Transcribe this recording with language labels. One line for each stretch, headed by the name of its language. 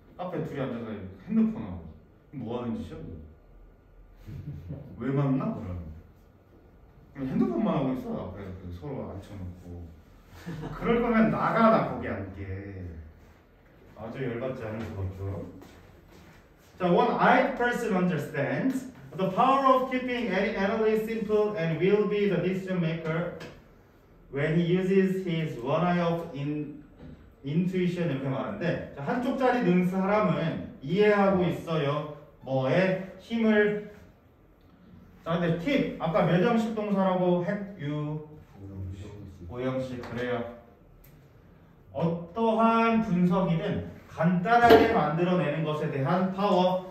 Korean: 카페 둘이 앉아서 핸드폰 하고 뭐 하는 짓이야? 왜 만나? 그러면 핸드폰만 하고 있어. 그래서 서로 앉혀놓고 그럴 거면 나가. 나 거기 앉게. 아주 열받지 않을 것 같죠. 자,
English: one eyed person understands the power of keeping any analyst simple and will be the decision maker when he uses his one eye of intuition.
Korean: 이렇게 말하는데 한쪽짜리 눈 사람은 이해하고 있어요. 뭐에 힘을. 자 근데 팁! 아까 매점식 동사라고 했유 오영씨 그래요. 어떠한 분석이든 간단하게 만들어내는 것에 대한 파워.